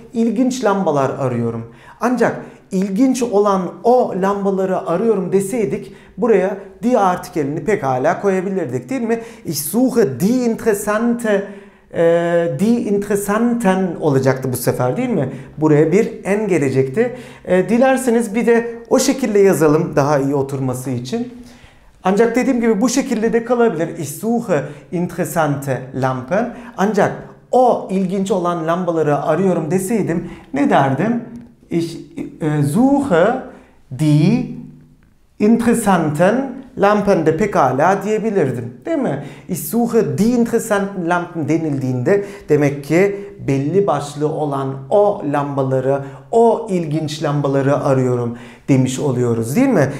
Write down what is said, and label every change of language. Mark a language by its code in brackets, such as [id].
[tr] İlginç lambalar arıyorum. Ancak ilginç olan o lambaları arıyorum deseydik buraya die artikelini pekala koyabilirdik değil mi? [de] Ich suche die interessante die interessanten [tr] olacaktı bu sefer değil mi? Buraya bir en gelecekti. Dilerseniz bir de o şekilde yazalım daha iyi oturması için. Ancak dediğim gibi bu şekilde de kalabilir. [de] Ich suche interessante Lampen. [tr] Ancak o ilginç olan lambaları arıyorum deseydim ne derdim? [de] Ich suche die interessanten Lampen [tr] de pekala diyebilirdim. Değil mi? [de] Ich suche die interessanten Lampen [tr] denildiğinde demek ki belli başlı olan o lambaları, o ilginç lambaları arıyorum demiş oluyoruz. Değil mi?